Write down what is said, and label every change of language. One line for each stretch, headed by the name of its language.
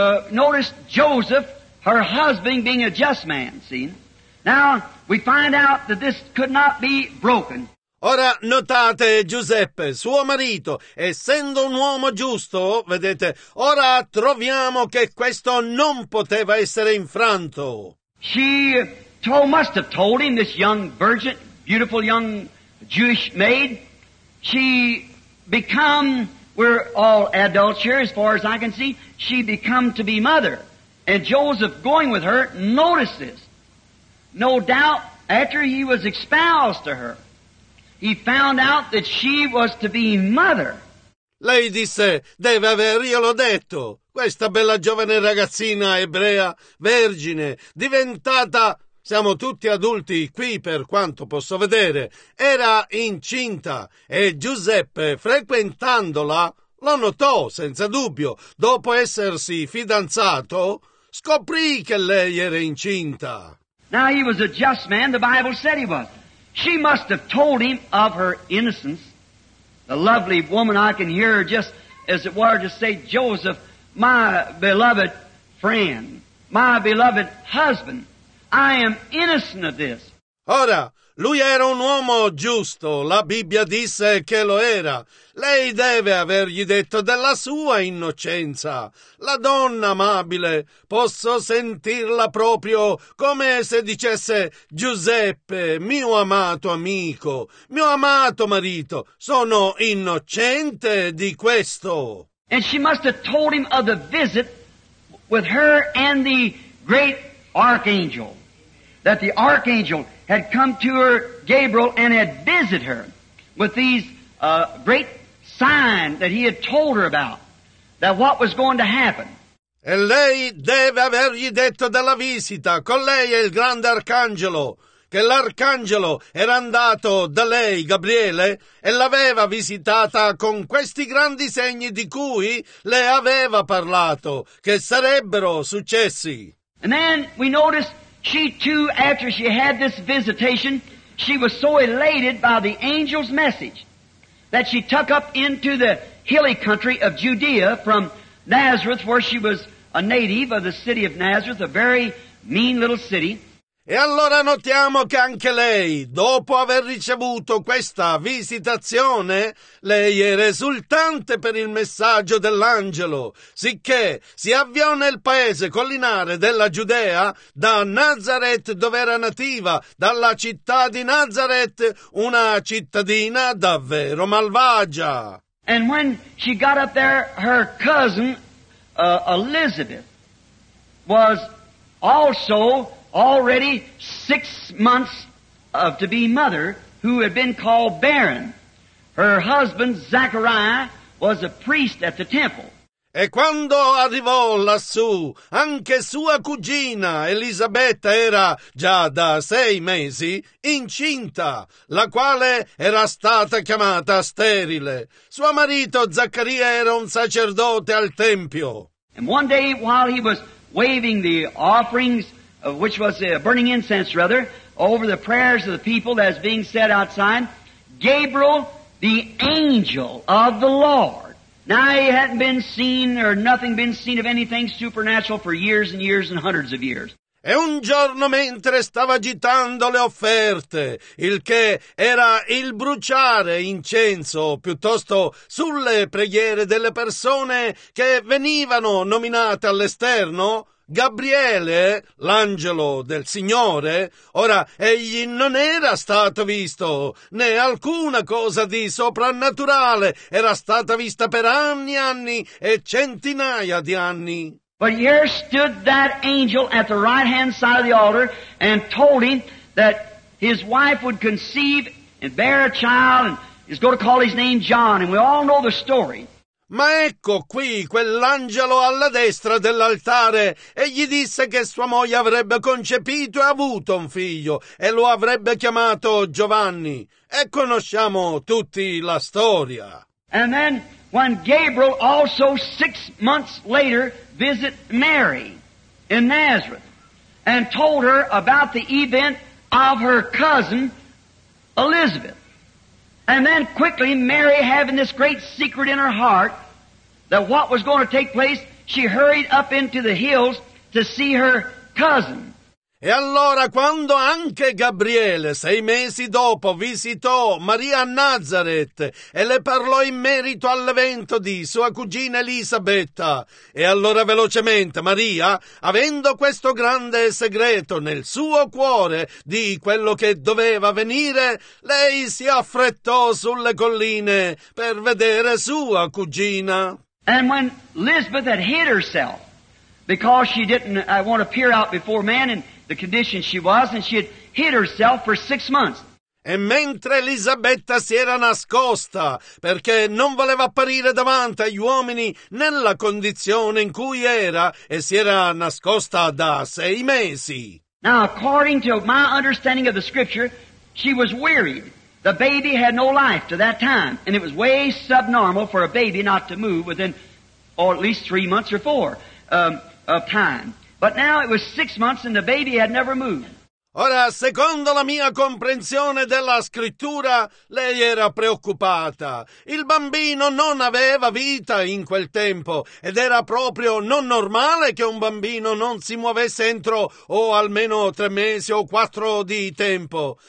English: Notice Joseph, her husband, being a just man, see? Now, we find out that this could not be broken.
Italian: Ora, notate, Giuseppe, suo marito, essendo un uomo giusto, vedete, ora troviamo che questo non poteva essere infranto.
English: She must have told him, this young virgin, beautiful young Jewish maid, she become... We're all adults here, as far as I can see. She become to be mother. And Joseph, going with her, noticed this. No doubt, after he was espoused to her, he found out that she was to be mother.
Italian: Lei disse, deve aver, io l'ho detto. Questa bella giovane ragazzina ebrea, vergine, diventata... Siamo tutti adulti qui per quanto posso vedere. Era incinta e Giuseppe, frequentandola, lo notò senza dubbio. Dopo essersi fidanzato, scoprì che lei era incinta.
English: Now he was a just man, the Bible said he was. She must have told him of her innocence. The lovely woman, I can hear her just as it were to say, Joseph, my beloved friend, my beloved husband. I am innocent of this.
Italian: Ora, lui era un uomo giusto, la Bibbia disse che lo era. Lei deve avergli detto della sua innocenza. La donna amabile, posso sentirla proprio come se dicesse Giuseppe, mio amato amico, mio amato marito, sono innocente di questo.
English: And she must have told him of the visit with her and the great archangel. That the archangel had come to her, Gabriel, and had visited her with these great signs that he had told her about, that what was going to happen.
Italian: E lei deve avergli detto della visita con lei e il grande arcangelo, che l'arcangelo era andato da lei, Gabriele, e l'aveva visitata con questi grandi segni di cui le aveva parlato, che sarebbero successi.
English: And then we notice she too, after she had this visitation, she was so elated by the angel's message that she took up into the hilly country of Judea from Nazareth, where she was a native of the city of Nazareth, a very mean little city.
Italian: E allora notiamo che anche lei, dopo aver ricevuto questa visitazione, lei era esultante per il messaggio dell'angelo, sicché si avviò nel paese collinare della Giudea, da Nazareth, dove era nativa, dalla città di Nazareth, una cittadina davvero malvagia.
English: And when she got up there, her cousin, Elizabeth, was also already 6 months of to be mother, who had been called barren. Her husband, Zechariah, was a priest at the temple.
Italian: E quando arrivò lassù, anche sua cugina Elisabetta era già da 6 mesi incinta, la quale era stata chiamata sterile. Suo marito Zaccaria era un sacerdote al tempio.
English: And one day, while he was waving the offerings, which was a burning incense rather, over the prayers of the people that was being said outside, Gabriel, the angel of the Lord. Now he hadn't been seen or nothing been seen of anything supernatural for years and years and hundreds of years.
Italian: E un giorno mentre stava agitando le offerte, il che era il bruciare incenso piuttosto sulle preghiere delle persone che venivano nominate all'esterno, Gabriele, l'angelo del Signore, ora egli non era stato visto, né alcuna cosa di soprannaturale era stata vista per anni e anni e centinaia di anni.
English: But here stood that angel at the right hand side of the altar and told him that his wife would conceive and bear a child and is going to call his name John, and we all know the story.
Italian: Ma ecco qui quell'angelo alla destra dell'altare, e gli disse che sua moglie avrebbe concepito e avuto un figlio, e lo avrebbe chiamato Giovanni. E conosciamo tutti la storia.
English: And then when Gabriel also 6 months later visited Mary in Nazareth and told her about the event of her cousin Elizabeth. And then quickly, Mary having this great secret in her heart that what was going to take place, she hurried up into the hills to see her cousin.
Italian: E allora, quando anche Gabriele, 6 mesi dopo, visitò Maria a Nazareth e le parlò in merito all'evento di sua cugina Elisabetta, e allora velocemente Maria, avendo questo grande segreto nel suo cuore di quello che doveva venire, lei si affrettò sulle colline per vedere sua cugina.
English: And when Elizabeth had hid herself, because she didn't want to appear out before man and the condition she was, and she had hid herself for 6 months.
Italian: E mentre Elisabetta si era nascosta perché non voleva apparire davanti agli uomini nella condizione in cui era, e si era nascosta da 6 mesi.
English: Now, according to my understanding of the scripture, she was wearied. The baby had no life to that time, and it was way subnormal for a baby not to move within, or at least 3 months or four of time. But now it was 6 months and the baby had never moved.
Italian: Ora, secondo la mia comprensione della scrittura, lei era preoccupata. Il bambino non aveva vita in quel tempo ed era proprio non normale che un bambino non si muovesse entro o almeno 3 mesi o 4 di tempo.